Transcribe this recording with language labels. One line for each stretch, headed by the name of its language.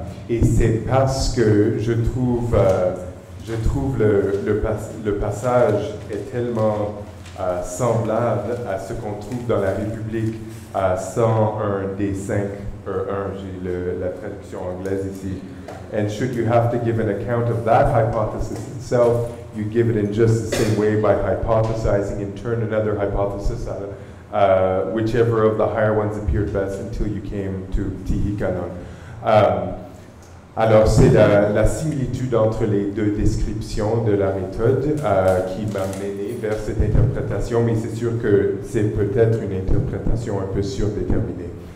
French: Et c'est parce que je trouve le passage est tellement semblable à ce qu'on trouve dans la République à 101 des 5, ou 1, j'ai la traduction anglaise ici.
English: And should you have to give an account of that hypothesis itself, you give it in just the same way by hypothesizing and turn another hypothesis out of whichever of the higher ones appeared best until you came to Tihikanon.
French: Alors, c'est la similitude entre les deux descriptions de la méthode qui m'a mené vers cette interprétation, mais c'est sûr que c'est peut-être une interprétation un peu surdéterminée.